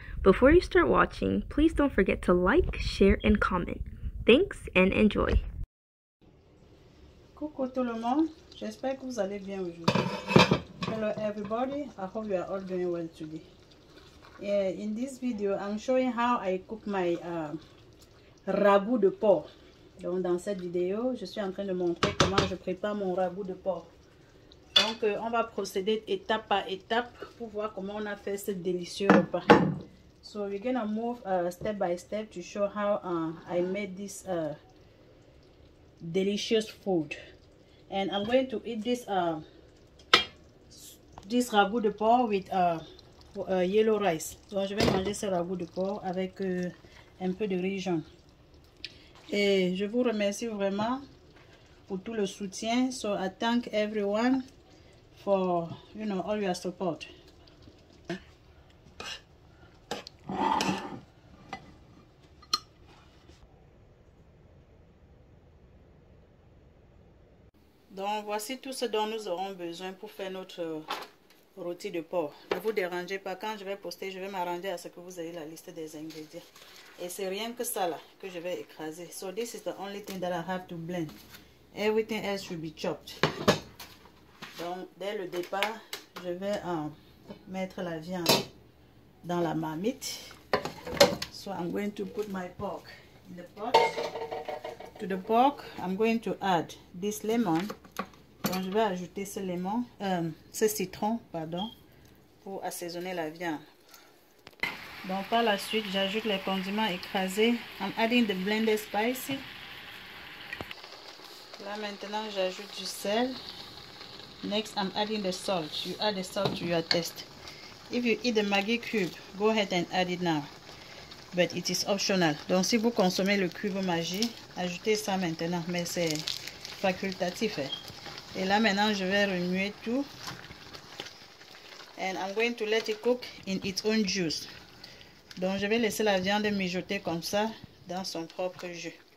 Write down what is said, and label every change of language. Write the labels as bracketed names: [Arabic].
[English] Before you start watching, please don't forget to like, share, and comment. Thanks and enjoy. [French] Coucou tout le monde, j'espère que vous allez bien aujourd'hui. [English] Hello everybody, I hope you are all doing well today. Yeah, in this video, I'm showing how I cook my ragoût de porc. [French] Donc dans cette vidéo, je suis en train de montrer comment je prépare mon ragoût de porc. Donc, on va procéder étape par étape pour voir comment on a fait ce délicieux repas. [English] So, we're going to move step by step to show how I made this delicious food. And I'm going to eat this this ragoût de porc with yellow rice. [French] Donc, je vais manger ce ragoût de porc avec un peu de riz jaune. Et je vous remercie vraiment pour tout le soutien. [English] So, I thank everyone for, you know, all your support. [French] Donc, voici tout ce dont nous aurons besoin pour faire notre rôti de porc. Ne vous dérangez pas, quand je vais poster, je vais m'arranger à ce que vous ayez la liste des ingrédients. Et c'est rien que ça là, que je vais écraser. [English] So, this is the only thing that I have to blend. Everything else should be chopped. [French] Donc, dès le départ, je vais mettre la viande dans la marmite. [English] So, I'm going to put my pork in the pot. To the pork, I'm going to add this lemon. [French] Donc, je vais ajouter ce lemon, ce citron, pardon, pour assaisonner la viande. Donc, par la suite, j'ajoute les condiments écrasés. [English] I'm adding the blended spices. [French] Là, maintenant, j'ajoute du sel. [English] Next, I'm adding the salt. You add the salt to your taste. If you eat the Maggi cube, go ahead and add it now. But it is optional. [French] Donc, si vous consommez le cube Maggi, ajoutez ça maintenant. Mais c'est facultatif. Hein? Et là, maintenant, je vais remuer tout. [English] And I'm going to let it cook in its own juice. [French] Donc, je vais laisser la viande mijoter comme ça dans son propre jus.